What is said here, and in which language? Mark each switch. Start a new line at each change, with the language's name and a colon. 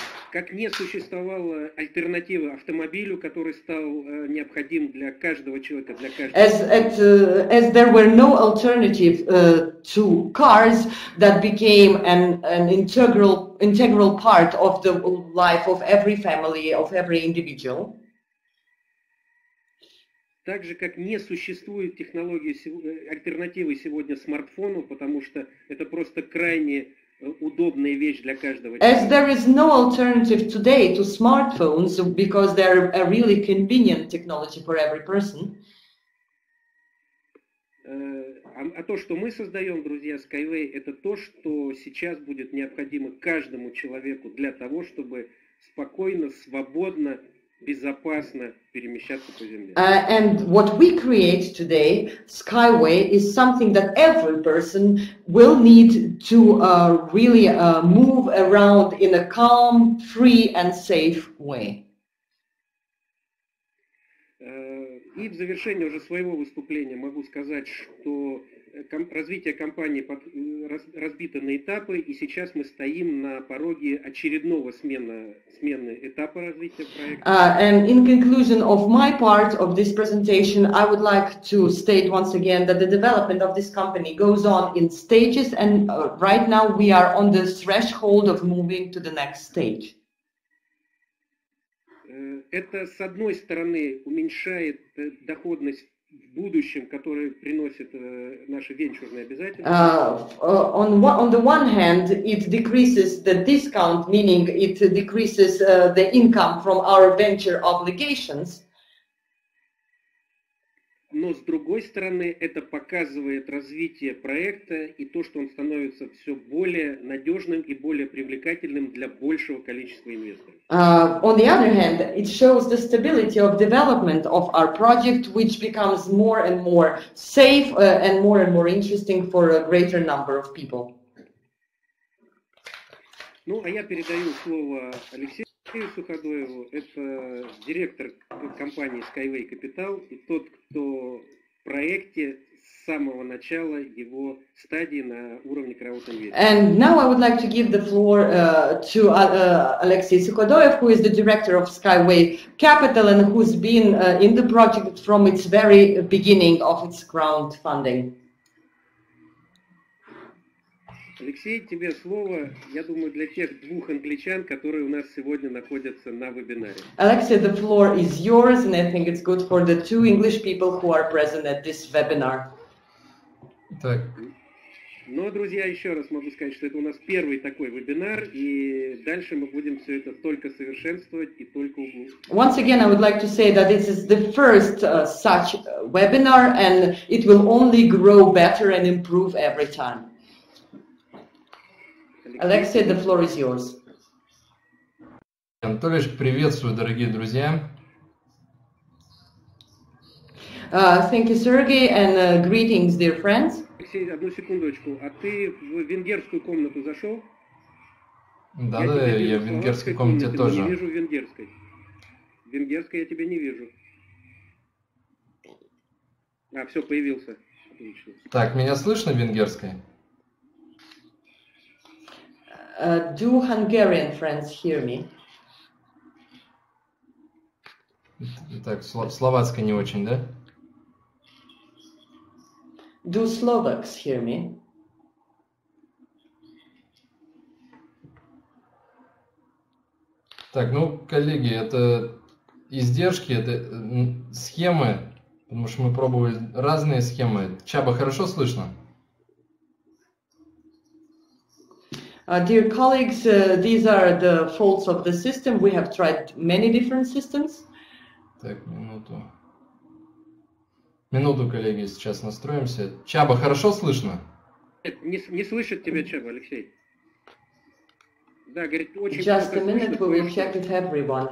Russian: Как не существовало альтернативы автомобилю, который стал необходим для каждого человека, для каждого.
English: As there were no alternative to cars that became an integral part of the life of every family, of every individual.
Russian: Так же, как не существует технологии альтернативы сегодня смартфону, потому что это просто крайне удобная вещь для каждого.
English: As there is no alternative today to smartphones, because they're a really convenient technology for every person.
Russian: А то, что мы создаем, друзья, Skyway, это то, что сейчас будет необходимо каждому человеку для того, чтобы спокойно, свободно, безопасно перемещаться по земле.
English: And what we create today, Skyway, is something that every person will need to really move around in a calm, free and safe way.
Russian: И в завершение уже своего выступления могу сказать, что развитие компании разбито на этапы, и сейчас мы стоим на пороге очередного смены этапа развития проекта.
English: And in conclusion of my part of this presentation, I would like to state once again that the development of this company goes on in stages, and right now we are on the threshold of moving to the next stage.
Russian: Это, с одной стороны, уменьшает доходность в будущем, которую приносит наши венчурные обязательства.
English: On the one hand, it decreases the discount, meaning it decreases the income from our venture obligations.
Russian: Но, с другой стороны, это показывает развитие проекта и то, что он становится все более надежным и более привлекательным для большего количества инвесторов.
English: On the other hand, it shows the stability of development of our project, which becomes more and more safe and more interesting for a greater number of people.
Russian: Ну, а я передаю слово Алексею. Алексей Суходоев – это директор компании Skyway Capital и тот, кто в проекте с самого начала его стадии на уровне краудинвестора.
English: And now I would like to give the floor to Alexey Sukhodoyev, who is the director of Skyway Capital and who's been in the project from its very beginning of its crowdfunding.
Russian: Алексей, тебе слово, я думаю, для тех двух англичан, которые у нас сегодня находятся на вебинаре.
English: Алексей, the floor is yours, and I think it's good for the two English people who are present at this webinar.
Russian: Так. Ну, друзья, еще раз могу сказать, что это у нас первый такой вебинар, и дальше мы будем все это только совершенствовать и только углубляться.
English: Once again, I would like to say that this is the first such webinar, and it will only grow better and improve every time. Алексей, the floor is yours.
Russian: Анатолий, приветствую, дорогие друзья.
English: Thank you, Sergey, and greetings, dear friends.
Russian: Алексей, одну секундочку, а ты в венгерскую комнату зашел? Да, я в венгерской комнате тоже. Я не вижу венгерской. Венгерской я тебя не вижу. А, все, появился. Отлично. Так, меня слышно в венгерской?
English: Do Hungarian friends hear me?
Russian: Так, словацкая не очень, да?
English: Do Slovaks hear me?
Russian: Так, ну, коллеги, это издержки, это схемы, потому что мы пробовали разные схемы. Чаба, хорошо слышно?
English: Dear colleagues, these are the faults of the system. We have tried many different systems.
Russian: Так, минуту. Минуту, коллеги, сейчас настроимся. Чаба, хорошо слышно? Не слышит тебя Чаба, Алексей. Да, говорит, очень
English: Just a minute, we will check with everyone.